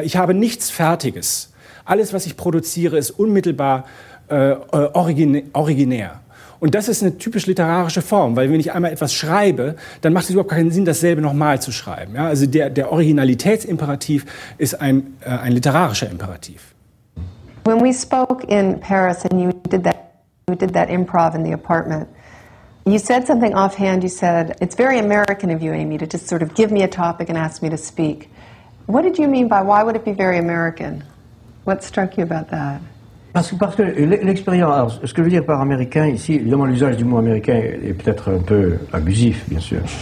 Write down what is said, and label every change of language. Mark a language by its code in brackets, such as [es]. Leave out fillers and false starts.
[de] Ich habe nichts Fertiges. Alles, was ich produziere, ist unmittelbar originär. Und das ist eine typisch literarische Form, weil wenn ich einmal etwas schreibe, dann macht es überhaupt keinen Sinn, dasselbe nochmal zu schreiben. Ja, also der Originalitätsimperativ ist ein literarischer Imperativ. [en] When we spoke in Paris and you did that improv in the apartment, you said something offhand. You said, it's very American of you, Amy, to just sort of give me a topic and ask me to speak. What did you mean by why would it be very American? What struck you about that? [fr] Parce que l'expérience, ce que je veux dire par américain ici, évidemment l'usage du mot américain est peut-être un peu abusif, bien sûr.